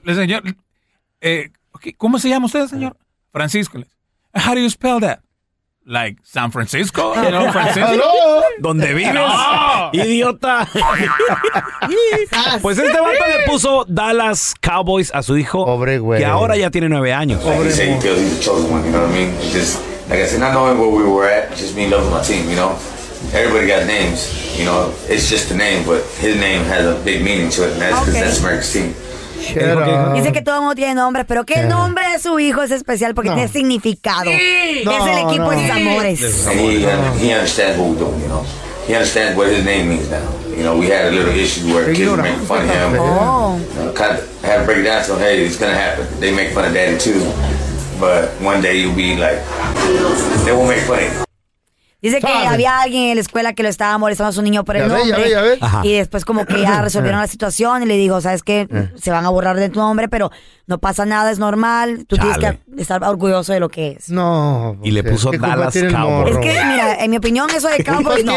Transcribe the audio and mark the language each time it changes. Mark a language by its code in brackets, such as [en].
[es] Le señor, ¿cómo se llama usted, señor? Francisco. [en] How do you spell that? [es] Like, San Francisco. ¿No, Francisco? ¿Aló? ¿Dónde vives? ¡Idiota! Pues este vato le puso Dallas Cowboys a su hijo. Pobre güey. Que ahora ya tiene 9 años. Pobre güey. [en] Like you say, he's the chosen one, you know what I mean? Just, like I said, not knowing where we were at, just me loving my team, you know? Everybody got names, you know, it's just a name, but his name has a big meaning to it, and that's because that's America's team. [es] Dice que todo el mundo tiene nombres, pero ¿qué nombre de su hijo es especial? Porque tiene significado. Sí. Es el equipo de sus amores. [en] He understands what we're doing, you know. He understands what his name means now. You know, we had a little issue where kids were making fun of him. Oh. You know, kind of had to break it down, so hey, it's gonna happen. They make fun of daddy too, but one day you'll be like, they won't make fun of him. [es] Dice que había alguien en la escuela que lo estaba molestando a su niño por el nombre. Y después como que ya resolvieron la situación y le dijo, ¿sabes qué? Se van a borrar de tu nombre, pero no pasa nada, es normal. Tú tienes que estar orgulloso de lo que es. No. Y le puso Dallas Cowboys. Es que, mira, en mi opinión, eso de Cowboys no.